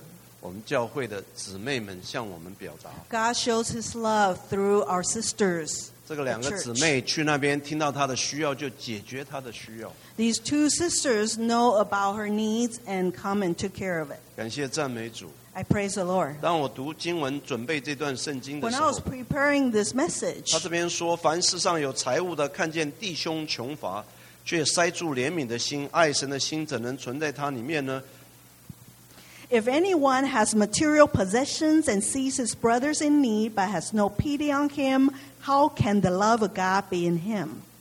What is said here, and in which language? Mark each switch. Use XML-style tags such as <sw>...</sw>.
<zh>我们神他的爱借着我们教会的姊妹们向我们表达。</zh> <en>God shows his love through our sisters.</en> <zh>这个两个姊妹去那边听到她的需要就解决她的需要。</zh> <en>These two sisters know about her needs and come and took care of it.</en> <zh>感谢赞美主。</zh> <en>I praise the Lord.</en> <zh>当我读经文准备这段圣经的时候，</zh> <en>When I was preparing this message,</en> <zh>他这边说凡世上有财物的看见弟兄穷乏， 却塞住怜悯的心，爱神的心怎能存在他里面呢？</zh> <en>If anyone has material possessions and sees his brothers in need but has no pity on him, how can the love of God be in him?</en>